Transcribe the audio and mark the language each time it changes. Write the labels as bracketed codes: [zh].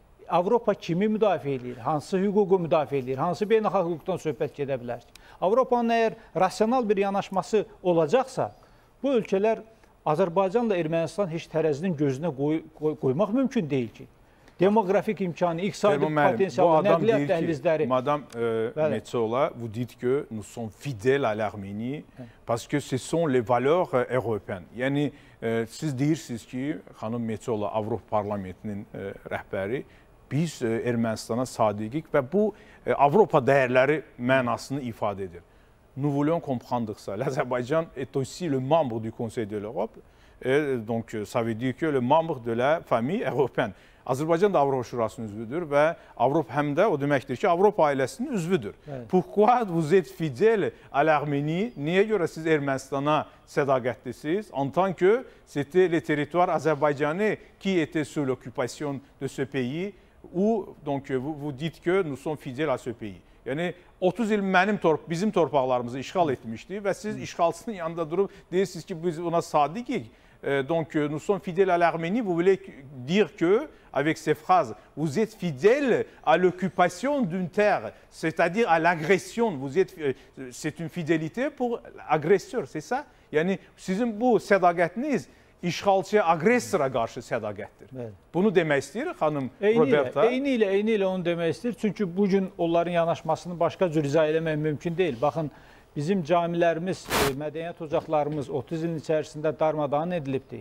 [az] Avropa kimi müdafiə edir? Hansı hüququ müdafiə edir? Hansı beynəlxalq hüquqdan söhbət gedə bilər? Avropanın əgər rasional bir yanaşması olacaqsa, bu ölkələr Azərbaycanla Ermənistan heç tərəzinin gözünə qoymaq mümkün deyil ki. Demografik imkanı, iqtisadi potensialı, nəqliyyat dəhlizləri. [fr] Madam Metsola, vous dites que nous sommes fidèles à l'Arménie parce que ce sont les valeurs européennes. [az] Yəni, siz deyirsiniz ki, xanım Metsola, Avropa Parlamentinin rəhbəri, biz Ermənistana sadiqik və bu Avropa dəyərləri mənasını ifadə edir. [fr] Nous voulons comprendre que l'Azerbaïdjan est aussi le membre du Conseil de l'Europe. Donc, ça veut dire que le membre de la famille européenne. [az] Azerbaïdjan da Avropa Şurasının üzvüdür və Avropa həm də o deməkdir ki, Avropa ailəsinin üzvüdür. [fr] Pourquoi vous êtes fidèle à l'Arménie? [az] Niyə görə siz Ermənistana sədaqətlisiniz? [fr] En tant que c'était le territoire azerbaïdjanais qui était sous l'occupation de ce pays, ou donc vous dites que nous sommes fidèles à ce pays. [az] Yəni, 30 il bizim torpaqlarımızı işğal etmişdi və siz işğalçının yanında durub deyirsiniz ki, biz ona sadiqik. [fr] Donc, nous sommes fidèles à l'Arménie. Vous voulez dire que, avec ces phrases, vous êtes fidèles à l'occupation d'une terre, c'est-à-dire à l'agression. C'est une fidélité pour l'agresseur, c'est ça? [az] Yəni, sizin bu sədaqətiniz, işğalçıya, agressora qarşı sədaqətdir. Bunu demək istəyir, xanım Roberta? Eyni ilə onu demək istəyir. Çünki bugün onların yanaşmasını başqa cür izah eləmək mümkün deyil. Baxın, bizim camilərimiz, mədəniyyət ocaqlarımız 30 ilin içərisində darmadağın edilibdir.